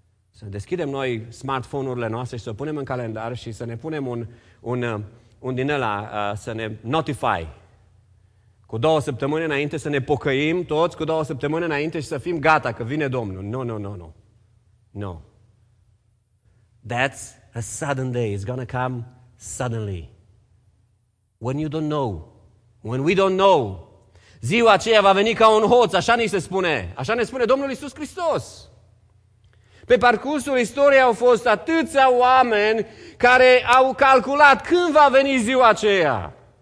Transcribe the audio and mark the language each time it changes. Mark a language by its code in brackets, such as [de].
[ro] Să deschidem noi smartphone-urile noastre și să o punem în calendar și să ne punem un din ăla, să ne notify. Cu 2 săptămâni înainte să ne pocăim toți, cu 2 săptămâni înainte și să fim gata că vine Domnul. [en] No, no, no, no. No. That's a sudden day. It's gonna come suddenly. When you don't know. When we don't know. [ro] Ziua aceea va veni ca un hoț, așa ni se spune. Așa ne spune Domnul Iisus Hristos. Pe parcursul istoriei au fost atâția oameni care au calculat când va veni ziua aceea.